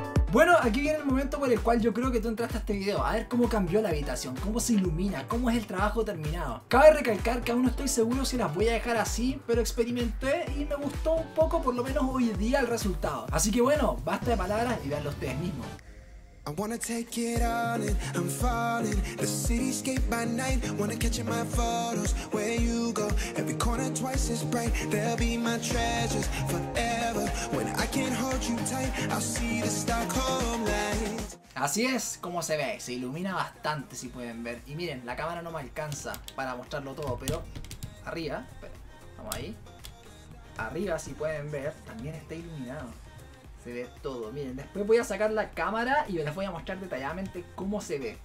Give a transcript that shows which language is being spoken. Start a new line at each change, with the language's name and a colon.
Spanish: Bueno, aquí viene el momento por el cual yo creo que tú entraste a este video. A ver cómo cambió la habitación, cómo se ilumina, cómo es el trabajo terminado. Cabe recalcar que aún no estoy seguro si las voy a dejar así, pero experimenté y me gustó un poco, por lo menos hoy día, el resultado. Así que bueno, basta de palabras y veanlo ustedes mismos.
English: I wanna take it all in, I'm falling. The cityscape by night, wanna catch in my photos. Where you go, every corner twice as bright. There'll be my treasures forever. When I can't hold you tight, I'll see the Stockholm light.
Spanish: Así es como se ve, se ilumina bastante si pueden ver. Y miren, la cámara no me alcanza para mostrarlo todo, pero arriba, vamos ahí. Arriba si pueden ver, también está iluminado. se ve todo. Miren, después voy a sacar la cámara y les voy a mostrar detalladamente cómo se ve.